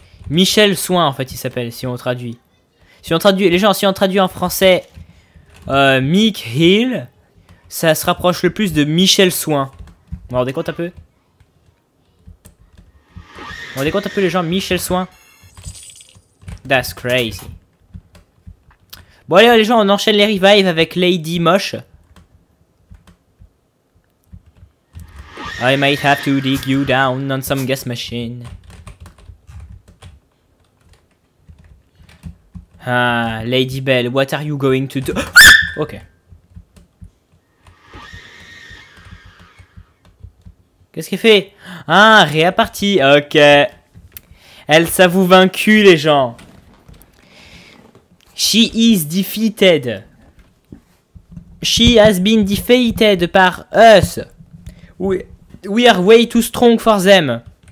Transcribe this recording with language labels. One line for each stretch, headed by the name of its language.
French: Michel Soin, en fait, il s'appelle, si on traduit, les gens, si on traduit en français Mick Hill, ça se rapproche le plus de Michel Soin. Vous vous rendez compte un peu? On décompte un peu les gens. Michel Soin.
English: That's crazy.
French: Bon allez les gens, on enchaîne les revives avec Lady Moche.
English: I might have to dig you down on some gas machine. Ah, Lady Belle, what are you going to do? Ok.
French: Qu'est-ce qu'elle fait? Ah, réapparti, ok. Elle s'avoue vaincue, les gens.
English: She is defeated. She has been defeated par us. We are way too strong for them.